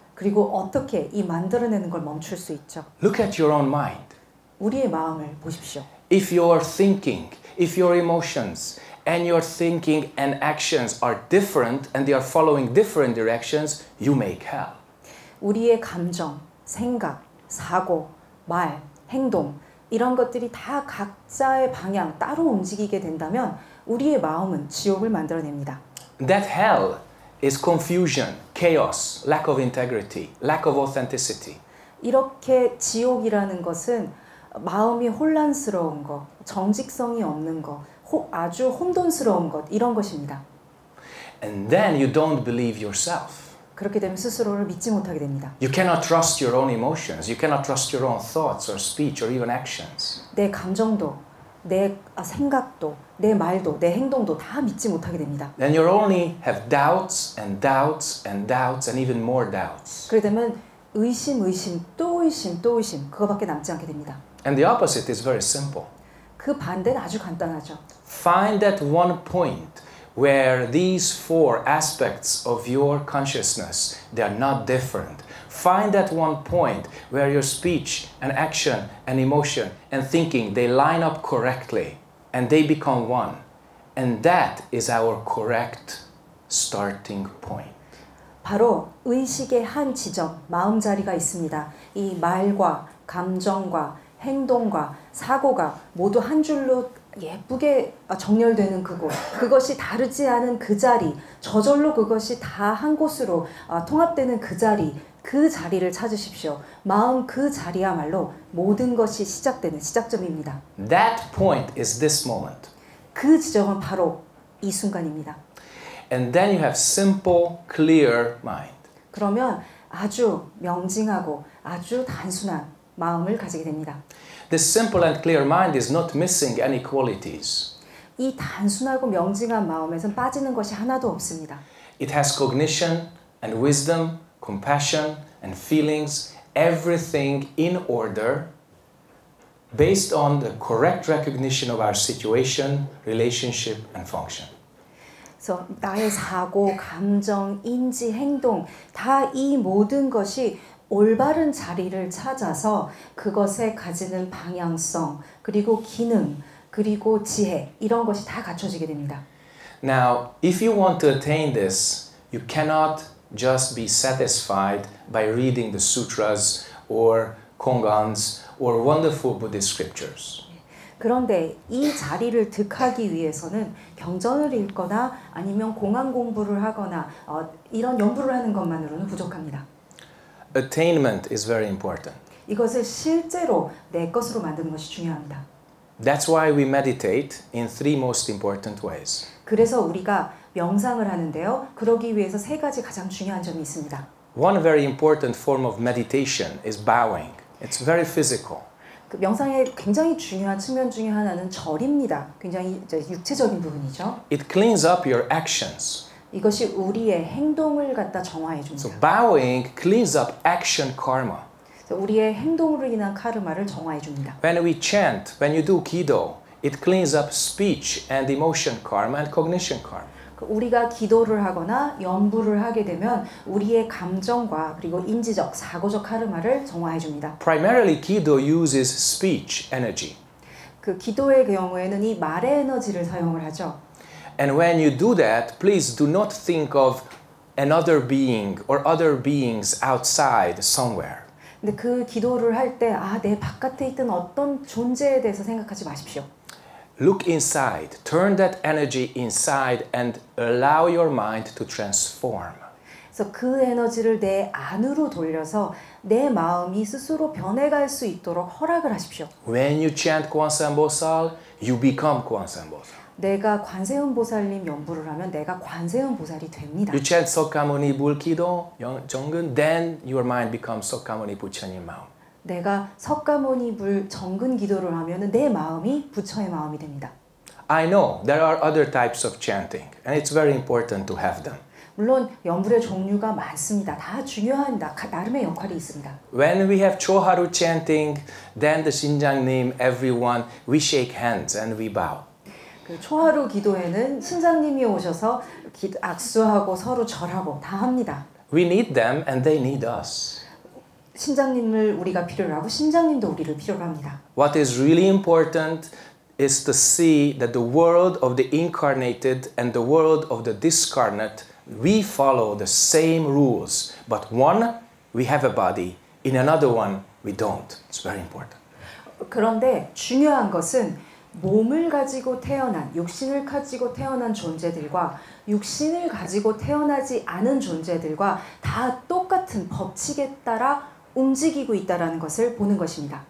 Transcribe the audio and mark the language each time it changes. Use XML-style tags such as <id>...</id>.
<ko>그리고 어떻게 이 만들어내는 걸 멈출 수 있죠?</ko> <en>Look at your own mind.</en> <ko>우리의 마음을 보십시오.</ko> <en>If your thinking, if your emotions, and your thinking and actions are different and they are following different directions, you make hell.</en> <ko>우리의 감정, 생각, 사고, 말, 행동 이런 것들이 다 각자의 방향 따로 움직이게 된다면 우리의 마음은 지옥을 만들어냅니다.</ko> <en>That hell is confusion, chaos, lack of integrity, lack of authenticity.</en> <ko>이렇게 지옥이라는 것은 마음이 혼란스러운 것, 정직성이 없는 것, 아주 혼돈스러운 것, 이런 것입니다.</ko> <en>And then you don't believe yourself.</en> <ko>그렇게 되면 스스로를 믿지 못하게 됩니다.</ko> <en>You cannot trust your own emotions. You cannot trust your own thoughts or speech or even actions.</en> <ko>내 감정도, 내 생각도, 내 말도, 내 행동도 다 믿지 못하게 됩니다.</ko> <en>Then you only have doubts and doubts and doubts and even more doubts.</en> <ko>그렇게 되면 의심, 의심, 또 의심, 또 의심, 그거밖에 남지 않게 됩니다.</ko> <en>And the opposite is very simple.</en> <ko>그 반대는 아주 간단하죠.</ko> <en>Find that one point where these four aspects of your consciousness, they are not different. Find that one point where your speech and action and emotion and thinking, they line up correctly and they become one. And that is our correct starting point.</en> <ko>바로 의식의 한 지점, 마음 자리가 있습니다. 이 말과 감정과 행동과 사고가 모두 한 줄로 예쁘게 정렬되는 그곳, 그것이 다르지 않은 그 자리, 저절로 그것이 다 한 곳으로 통합되는 그 자리, 그 자리를 찾으십시오. 마음 그 자리야말로 모든 것이 시작되는 시작점입니다.</ko> <en>That point is this moment.</en> <ko>그 지점은 바로 이 순간입니다.</ko> <en>And then you have simple, clear mind.</en> <ko>그러면 아주 명징하고 아주 단순한 마음을 가지게 됩니다.</ko> <en>This simple and clear mind is not missing any qualities.</en> <ko>이 단순하고 명징한 마음에서는 빠지는 것이 하나도 없습니다.</ko> <en>It has cognition and wisdom, compassion and feelings, everything in order based on the correct recognition of our situation, relationship and function.</en> <ko>So, 나의 사고, 감정, 인지, 행동, 다 이 모든 것이 올바른 자리를 찾아서 그것에 가지는 방향성, 그리고 기능, 그리고 지혜, 이런 것이 다 갖춰지게 됩니다.</ko> <en>Now, if you want to attain this, you cannot just be satisfied by reading the sutras or koans or wonderful Buddhist scriptures.</en> <ko>그런데 이 자리를 득하기 위해서는 경전을 읽거나 아니면 공안 공부를 하거나 이런 연구를 하는 것만으로는 부족합니다.</ko> <en>Attainment is very important.</en> <ko>이것을 실제로 내 것으로 만드는 것이 중요합니다.</ko> <en>That's why we meditate in three most important ways.</en> <ko>그래서 우리가 명상을 하는데요. 그러기 위해서 세 가지 가장 중요한 점이 있습니다.</ko> <en>One very important form of meditation is bowing. It's very physical.</en> <ko>그 명상의 굉장히 중요한 측면 중에 하나는 절입니다. 굉장히 육체적인 부분이죠.</ko> <en>It cleans up your actions.</en> <ko>이것이 우리의 행동을 갖다 정화해 줍니다.</ko> <en>So bowing cleans up action karma.</en> <ko>우리의 행동으로 인한 카르마를 정화해 줍니다.</ko> <en>When we chant, when you do kido, it cleans up speech and emotion karma and cognition karma.</en> <ko>우리가 기도를 하거나 염불을 하게 되면 우리의 감정과 그리고 인지적, 사고적 카르마를 정화해 줍니다.</ko> <en>Primarily, Kido uses speech energy.</en> <ko>그 기도의 경우에는 이 말의 에너지를 사용을 하죠.</ko> <en>And when you do that, please do not think of another being or other beings outside somewhere.</en> <ko>근데 그 기도를 할 때 아, 내 바깥에 있던 어떤 존재에 대해서 생각하지 마십시오.</ko> <en>Look inside. Turn that energy inside and allow your mind to transform.</en> <ko>So 그 에너지를 내 안으로 돌려서 내 마음이 스스로 변해갈 수 있도록 허락을 하십시오.</ko> <en>When you chant Quan San Bosal, you become Quan San Bosal.</en> <ko>내가 관세음 보살님 염불을 하면 내가 관세음 보살이 됩니다.</ko> <en>You chant Sokkamuni Bulkido, 정근, then your mind becomes Sokkamuni Buchanin 마음.</en> <ko>내가 석가모니 불 정근 기도를 하면은 내 마음이 부처의 마음이 됩니다.</ko> <en>I know there are other types of chanting and it's very important to have them.</en> <ko>물론 염불의 종류가 많습니다. 다 중요합니다. 나름의 역할이 있습니다.</ko> <en>When we have Choharu chanting, then the Shinjangnim, everyone, we shake hands and we bow.</en> <ko>그 초하루 기도에는 신장님이 오셔서 악수하고 서로 절하고 다 합니다.</ko> <en>We need them and they need us.</en> <ko>신장님을 우리가 필요로 하고 신장님도 우리를 필요로 합니다.</ko> <en>What is really important is to see that the world of the incarnated and the world of the discarnate, we follow the same rules. But one, we have a body. In another one, we don't. It's very important.</en> <ko>그런데 중요한 것은 몸을 가지고 태어난, 육신을 가지고 태어난 존재들과 육신을 가지고 태어나지 않은 존재들과 다 똑같은 법칙에 따라 움직이고 있다라는 것을 보는 것입니다.</ko>